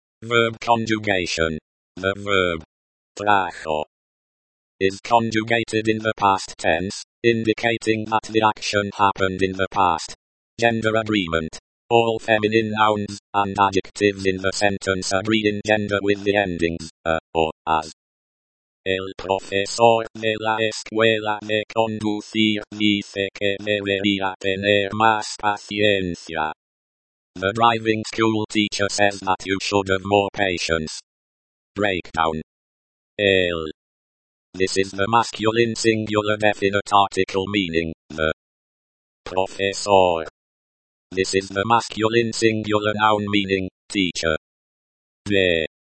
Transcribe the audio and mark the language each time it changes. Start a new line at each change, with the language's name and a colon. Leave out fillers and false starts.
English: Verb conjugation. The verb, trajo, is conjugated in the past tense, indicating that the action happened in the past. Gender agreement. All feminine nouns and adjectives in the sentence agree in gender with the endings, a, or, as.
Spanish: El profesor de la escuela de conducir dice que debería tener más paciencia.
English: The driving school teacher says that you should have more patience. Breakdown. El. This is the masculine singular definite article meaning the professor. This is the masculine singular noun meaning teacher. De.